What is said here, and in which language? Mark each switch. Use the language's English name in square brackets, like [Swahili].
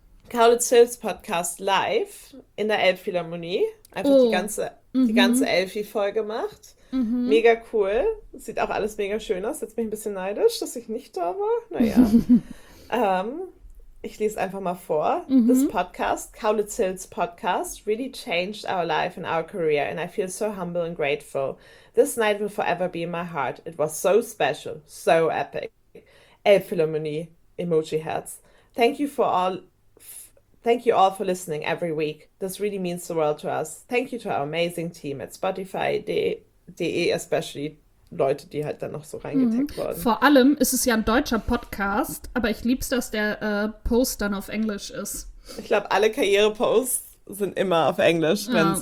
[German] Kaulitz Hills Podcast live in der Elbphilharmonie. Einfach die ganze Elfi-Folge gemacht. Mhm. Mega cool. Sieht auch alles mega schön aus. Jetzt bin ich ein bisschen neidisch, dass ich nicht da war. Naja. Ich lese einfach mal vor. Mm-hmm. [English] This podcast, Kaulitz Hills Podcast, really changed our life and our career, and I feel so humble and grateful. This night will forever be in my heart. It was so special, so epic. Elbphilharmonie, [German] Emoji Herz. [English] Thank you for all Thank you all for listening every week. This really means the world to us. Thank you to our amazing team at Spotify.de, especially [German] Leute, die halt dann noch so reingetaggt wurden. Vor allem ist es ja ein deutscher Podcast, aber ich lieb's, dass der Post dann auf Englisch ist. Ich glaube, alle Karriere-Posts sind immer auf Englisch, ja.